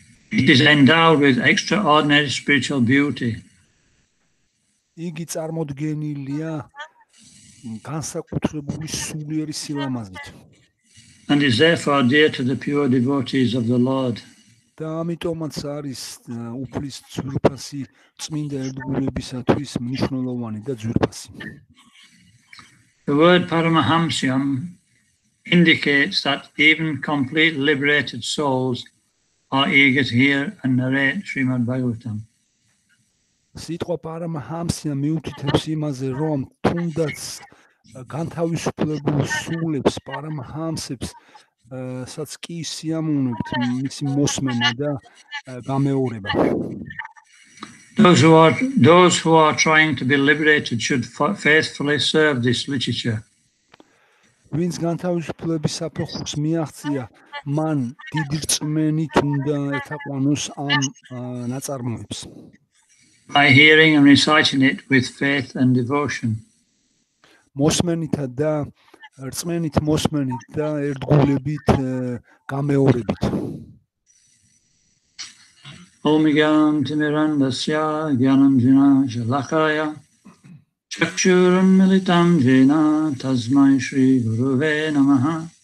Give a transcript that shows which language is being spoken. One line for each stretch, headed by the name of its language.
English: It is endowed with extraordinary spiritual beauty.
Georgian: იგი წარმოდგენილია განსაკუთრებული სულიერი სილამაზით.
English: And is therefore dear to the pure devotees of the Lord.
Georgian: და ამიტომაც არის უფლის ძვირფასი წმინდა ერთგულებისათვის მნიშვნელოვანი და ძვირფასი.
English: The word Paramahamsyam indicates that even complete liberated souls are eager to hear and narrate Srimad Bhagavatam.
Georgian: სიტყვა პარამაჰამსია მიუთითებს იმაზე, რომ თუნდაც განთავისუფლებულ სულებს, პარამჰამსებს, სადაც კი სიამოვნებთ მისი მოსმენა და გამეორება.
English: Those who are trying to be liberated should faithfully serve this literature.
Georgian: ვინც განთავისუფლების საფეხურს მიაღწია, მან დიდი რწმენით უნდა ეთაყვანოს ამ ნაწარმოებს.
English: By hearing and reciting it with faith and devotion.
Georgian: მოსმენითა და რწმენით მოსმენით და ერთგულებით გამეორებით.
Sanskrit: ომიგამ თიმერანდასია გიანანჯინა ჟალახაია ჩაქშურან მილიტამ ჯინა თაზმაი შრი გურვე ნამაჰა.